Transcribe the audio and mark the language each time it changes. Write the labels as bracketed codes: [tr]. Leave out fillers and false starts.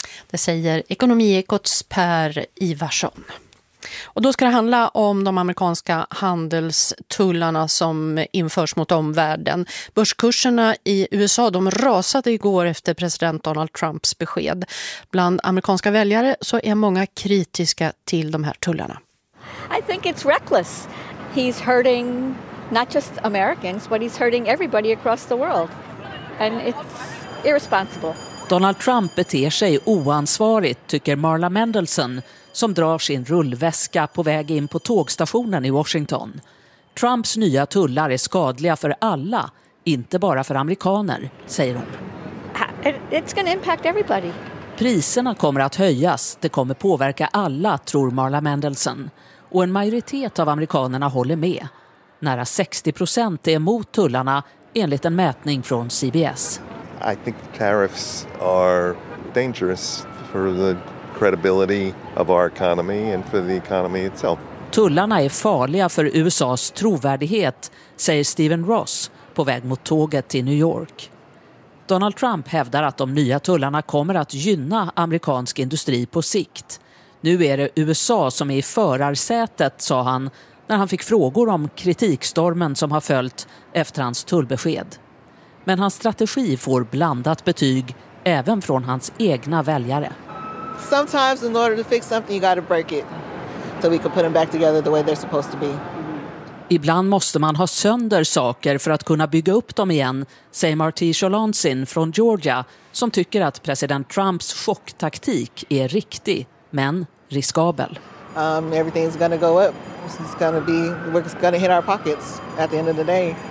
[sv] Det säger Ekonomiekots Per Ivarsson. Och då ska det handla om de amerikanska handelstullarna som införs mot omvärlden. Börskurserna i USA de rasade igår efter president Donald Trumps besked. Bland amerikanska väljare så är många kritiska till de här tullarna. [en] I think it's reckless. He's hurting not just Americans, but he's hurting everybody across the world. And it's irresponsible. [sv] Donald Trump beter sig oansvarigt, tycker Marla Mendelsohn, som drar sin rullväska på väg in på tågstationen i Washington. Trumps nya tullar är skadliga för alla, inte bara för amerikaner, säger hon. [en] It's gonna impact everybody. [sv] Priserna kommer att höjas, det kommer påverka alla, tror Marla Mendelsohn. Och en majoritet av amerikanerna håller med. Nära 60% är emot tullarna, enligt en mätning från CBS. [en] I think tariffs are dangerous for the credibility of our economy and for the economy itself. [sv] Tullarna är farliga för USA:s trovärdighet, säger Steven Ross på väg mot tåget till New York. Donald Trump hävdar att de nya tullarna kommer att gynna amerikansk industri på sikt. Nu är det USA som är i förarsätet, sa han när han fick frågor om kritikstormen som har följt efter hans tullbesked. Men hans strategi får blandat betyg även från hans egna väljare. [en] Sometimes in order to fix something you got to break it so we can put them back together the way they're supposed to be. [sv] Ibland måste man ha sönder saker för att kunna bygga upp dem igen, säger Marty Scholansin från Georgia, som tycker att president Trumps chocktaktik är riktig men riskabel. [en] Everything's going to go up. It's going to be we're going to hit our pockets at the end of the day.